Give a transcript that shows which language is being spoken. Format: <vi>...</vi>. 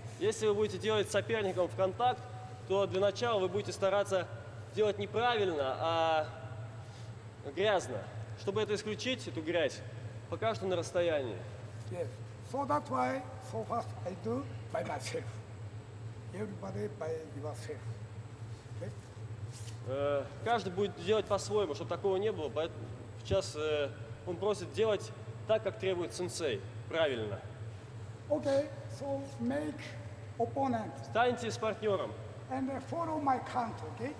<ru>Если вы будете делать соперником в контакт, то для начала вы будете стараться делать неправильно, а грязно. Чтобы это исключить, эту грязь, пока что на расстоянии.</ru> <en>Yes. So that why so fast I do by myself. Everybody by yourself. Okay?</en> <ru>Каждый будет делать по-своему, чтобы такого не было. Поэтому сейчас он просит делать так, как требует сенсей. Правильно.</ru> <en>Okay. So make opponent.</en> <ru>Станьте с партнером.</ru> <en>And follow my count, okay?</en>